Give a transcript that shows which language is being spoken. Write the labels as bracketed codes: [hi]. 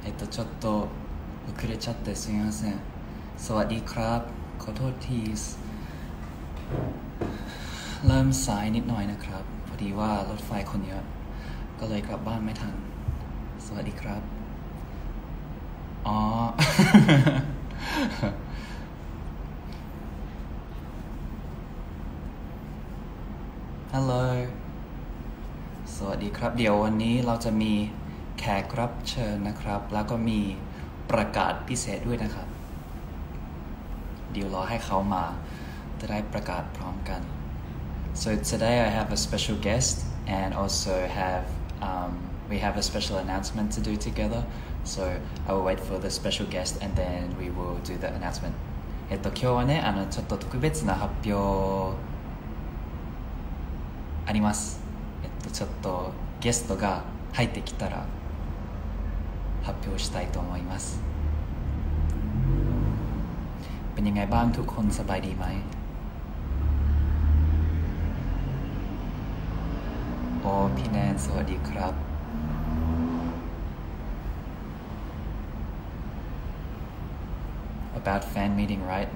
[ja] ちょっと遅れちゃってすみません。 [th] สวัสดีครับขอโทษทีสเริ่มสายนิดหน่อยนะครับพอดีว่ารถไฟคนเยอะก็เลยกลับบ้านไม่ทันสวัสดีครับอ๋อ Hello สวัสดีครับเดี๋ยววันนี้เราจะมีแขกรับเชิญนะครับแล้วก็มีประกาศพิเศษด้วยนะครับเดี๋ยวรอให้เขามาจะได้ประกาศพร้อมกัน [en] So today I have a special guest and also have we have a special announcement to do together. So I will wait for the special guest and then we will do the announcement. [ja] 今日はね、ちょっと特別な発表あります。ちょっとゲストが入ってきたら発表したいと思います。 [th] เป็นยังไงบ้างทุกคนสบายดีไหมโอ้พี่แนนสวัสดีครับ [en] About fan meeting, right?